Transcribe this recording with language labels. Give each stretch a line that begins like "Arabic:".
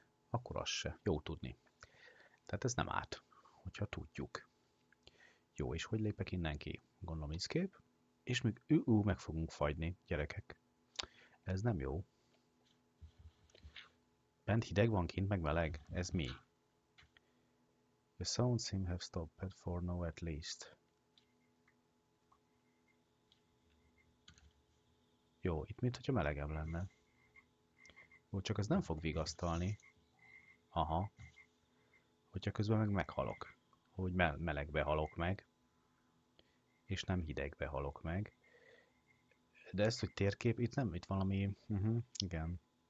Hungarian: Akkor az se. Jó tudni. Tehát ez nem árt, hogyha tudjuk. Jó, és hogy lépek innen ki? Gondolom, iszkép. És még meg fogunk fagyni, gyerekek. Ez nem jó. Bent hideg van, kint meg meleg. Ez mi?
English: The sound seem have stopped for now at least.
Hungarian: Jó, itt mintha melegebb lenne. Jó, csak ez nem fog vigasztalni. Aha. Hogyha közben meg meghalok. Hogy melegbe halok meg. És nem hidegbe halok meg. De ezt, hogy térkép, itt nem, itt valami, igen.